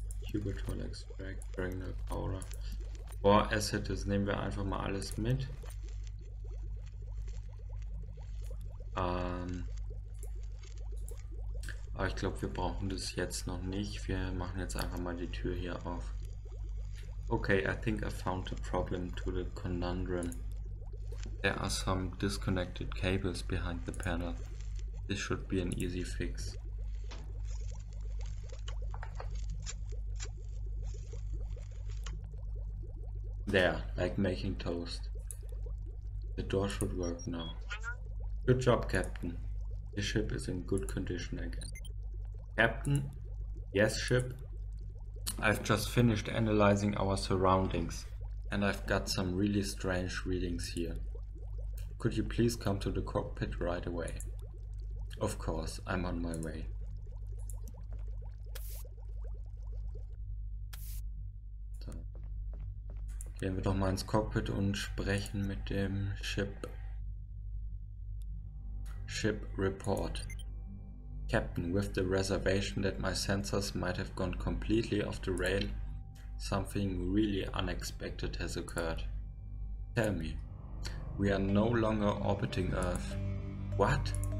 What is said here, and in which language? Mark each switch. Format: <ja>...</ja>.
<en>Cubitol Extract. Pregnant Powder.</en> <de>Boah, Acid, das nehmen wir einfach mal alles mit. Aber ich glaube, wir brauchen das jetzt noch nicht. Wir machen jetzt einfach mal die Tür hier auf.</de> <en>Okay, I think I found a problem to the conundrum. There are some disconnected cables behind the panel. This should be an easy fix. There, like making toast. The door should work now. Good job, Captain. The ship is in good condition again. Captain? Yes, ship? I've just finished analyzing our surroundings, and I've got some really strange readings here. Could you please come to the cockpit right away? Of course, I'm on my way. So.</en> <de>Gehen wir doch mal ins Cockpit und sprechen mit dem Ship.</de> <en>Ship report. Captain, with the reservation that my sensors might have gone completely off the rail, something really unexpected has occurred. Tell me, we are no longer orbiting Earth. What?</en>